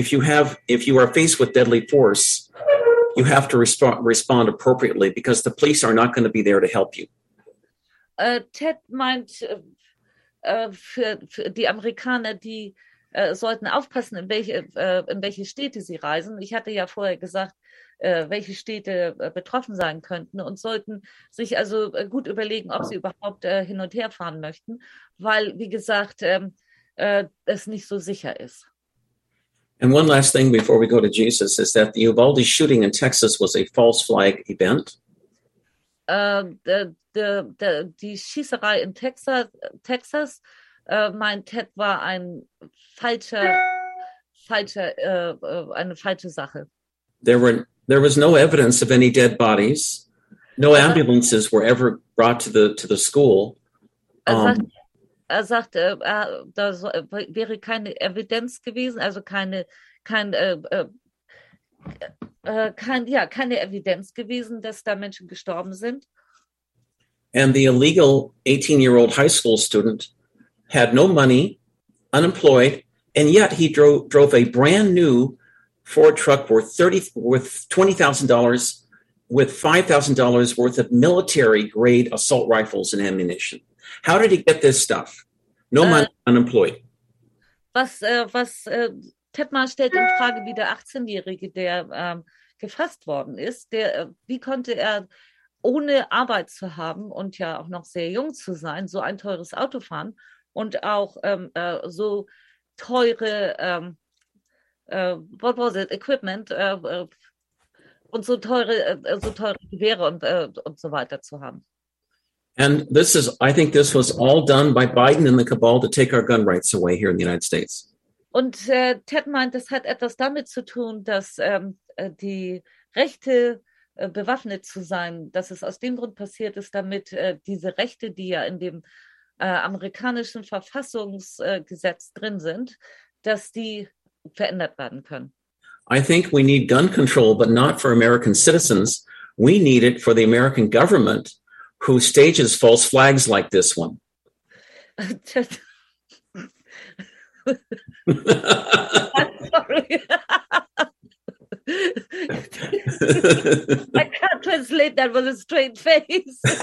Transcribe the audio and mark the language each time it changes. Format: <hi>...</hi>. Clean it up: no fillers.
<en>But if you are faced with deadly force, you have to respond appropriately because the police are not going to be there to help you.</en> <de>Ted meint, für die Amerikaner, die sollten aufpassen, in welche Städte sie reisen. Ich hatte ja vorher gesagt, welche Städte betroffen sein könnten und sollten sich also gut überlegen, ob sie überhaupt hin und her fahren möchten, weil, wie gesagt, es nicht so sicher ist.</de> <en>And one last thing before we go to Jesus is that the Uvalde shooting in Texas was a false flag event.</en> <de>Die Schießerei in Texas, meint Ted, war ein eine falsche Sache.</de> <en>There was no evidence of any dead bodies. No ambulances were ever brought to the school.</en> <de>Da wäre keine Evidenz gewesen, also keine Evidenz gewesen, dass da Menschen gestorben sind.</de> <en>And the illegal 18-year-old high school student had no money, unemployed, and yet he drove a brand new Ford truck worth $20,000 with $5,000 worth of military-grade assault rifles and ammunition. How did he get this stuff? No money, unemployed.</en> <de>Tedmar stellt in Frage, wie der 18-Jährige, der gefasst worden ist, wie konnte er ohne Arbeit zu haben und ja auch noch sehr jung zu sein, so ein teures Auto fahren und auch so teure</de> <en>what was it,</en> <de>Equipment und so teure Gewehre und so weiter zu haben.</de> <en>And this is, I think this was all done by Biden and the cabal to take our gun rights away here in the United States.</en> <de>Und Ted meint, das hat etwas damit zu tun, dass die Rechte bewaffnet zu sein, dass es aus dem Grund passiert ist, damit diese Rechte, die ja in dem amerikanischen Verfassungsgesetz drin sind, dass die verändert werden können.</de> <en>I think we need gun control, but not for American citizens. We need it for the American government, who stages false flags like this one. I can't translate that with a straight face.</en>